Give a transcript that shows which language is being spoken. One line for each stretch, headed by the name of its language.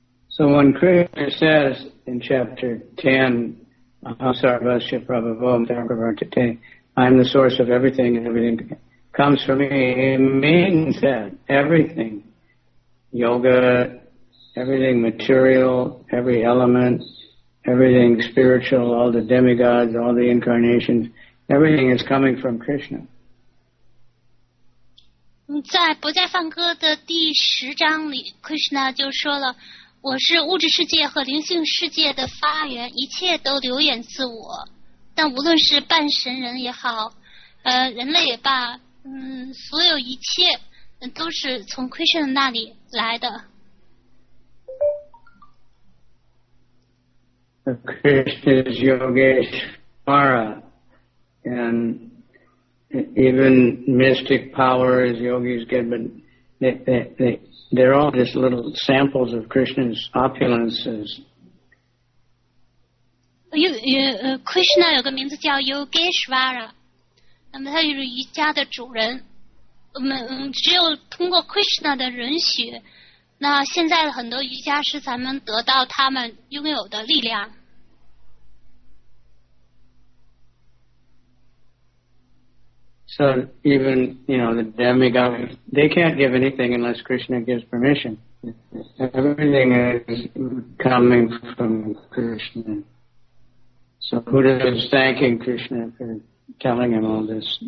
English: So when Krishna says in chapter 10,
Sanskrit: Sarvasya Prabhavamta,
English: I'm the source of everything and everything comes from me, it means that everything, yoga, everything material, every element, everything spiritual, all the demigods, all the incarnations, everything is coming from Krishna.
Chinese: 在《不再放歌》的第十章里 ,Krishna 就说了我是物质世界和灵性世界的发源，一切都流演自我。但无论是半神人也好，人类也罢，所有一切都是从 Krishna 那里来的。
English: Krishna is Yogeshwara, and even mystic powers yogis get, but they're all just little samples of Krishna's opulences.
Chinese: Krishna 有个名字叫 Yogeshwara， 那么他就是瑜伽的主人。我们只有通过 Krishna 的允许，那现在很多瑜伽师才能得到他们拥有的力量。
English: So even, you know, the demigods, they can't give anything unless Krishna gives permission. Everything is coming from Krishna. So Buddha is thanking Krishna for telling him all this.